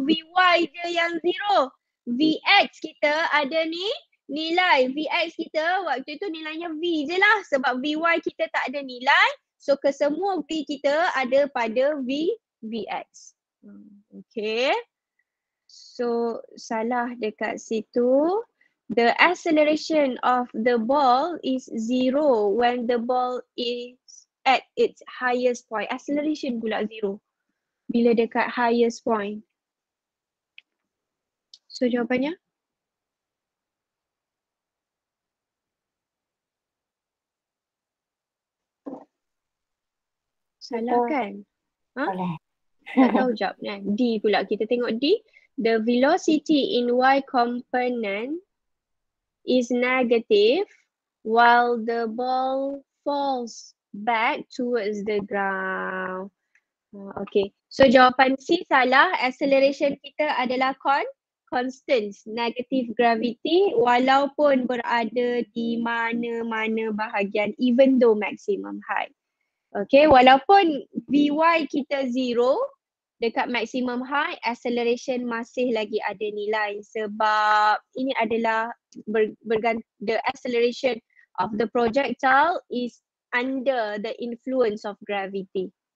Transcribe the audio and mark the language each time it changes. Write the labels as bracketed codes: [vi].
[ms] VY je yang zero. VX kita ada ni nilai. VX kita waktu itu nilainya V je lah. Sebab VY kita tak ada nilai. So kesemua V kita ada pada VX. Okay. So, salah dekat situ. [en] The acceleration of the ball is zero when the ball is at its highest point. [ms] Acceleration pula zero bila dekat highest point. So, jawapannya? Salah kan? Boleh. Tak tahu jawab kan? D pula. Kita tengok D. [en] The velocity in Y component is negative while the ball falls back towards the ground. [ms] Okay. So jawapan C salah. Acceleration kita adalah constant. Negative gravity walaupun berada di mana-mana bahagian, [en] even though maximum height. [ms] Okay. Walaupun VY kita zero, dekat maximum height, acceleration masih lagi ada nilai sebab ini adalah [en] the acceleration of the projectile is under the influence of gravity.